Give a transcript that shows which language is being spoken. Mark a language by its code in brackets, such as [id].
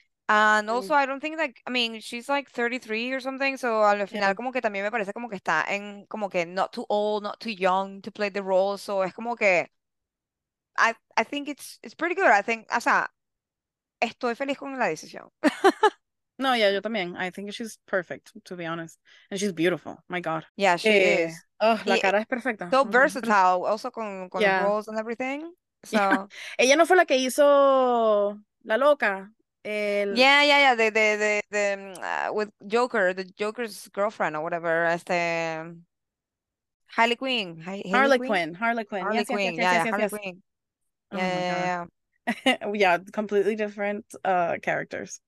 [en] And also, I don't think, like, I mean, she's, like, 33 or something, so [es] al final, como que [en] también me parece como que está en, como que not too old, not too young to play the role, so [es] es como que, [en] I think it's pretty good, I think, [es] o sea, estoy feliz con la decisión. [en] No, yeah, [es] yo también, [en] I think she's perfect, to be honest, and she's beautiful, my God. Yeah, she is. [es] Oh, la cara es perfecta. [en] So versatile, also con the roles and everything, so. Yeah. [es] Ella no fue la que hizo La Loca. [en] With Joker, the Joker's girlfriend or whatever, Harley Quinn, Harley Quinn, Harley Quinn, yeah, completely different characters.